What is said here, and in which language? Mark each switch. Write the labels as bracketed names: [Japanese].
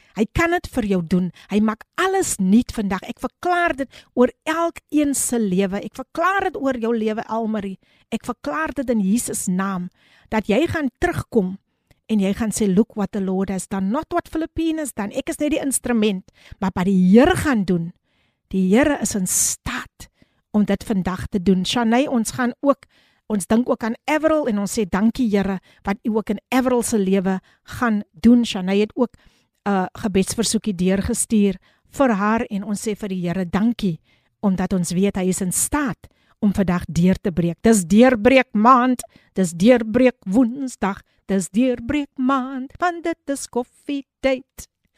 [Afrikaans] Hy kan dit vir jou doen. Hy maak alles nuut vandag. Ek verklaar dit oor elkeen se lewe. Ek verklaar dit oor jou lewe, Almarie. Ek verklaar dit in Jesus naam dat jy gaan terugkom en jy gaan sê, [English] "Look what the Lord has done, not what Filipinas done." [Afrikaans] Ek is net die instrument, maar wat die Here gaan doen. Die Here is in staat om dit vandag te doen. Shanay, ons gaan ook ons dink ook aan Everil en ons sê dankie Here wat U ook in Everil se lewe gaan doen. Shanay het ook 'n gebedsversoekie deurgestuur vir haar en ons sê vir die Here dankie omdat ons weet hy is in staat om vandag deur te breek. Dis deurbreek maand, dis deurbreek woensdag, dis deurbreek maand, want dit is koffietyd.